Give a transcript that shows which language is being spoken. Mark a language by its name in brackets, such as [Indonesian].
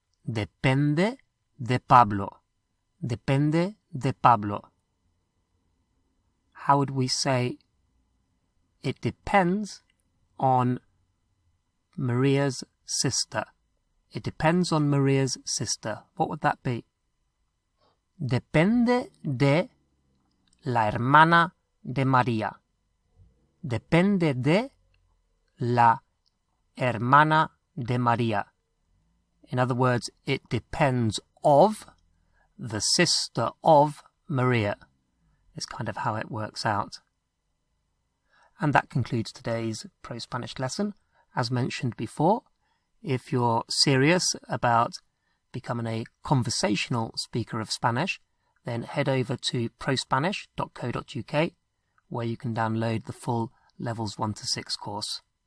[Spanish] Depende de Pablo. Depende de Pablo. [English] How would we say, it depends on Maria's sister? It depends on Maria's sister. What would that be? [Spanish] Depende de la hermana de María. Depende de la hermana de María. [English] In other words, it depends of the sister of Maria. It's kind of how it works out. And that concludes today's Pro Spanish lesson. As mentioned before, if you're serious about becoming a conversational speaker of Spanish, then head over to prospanish.co.uk, where you can download the full Levels 1 to 6 course.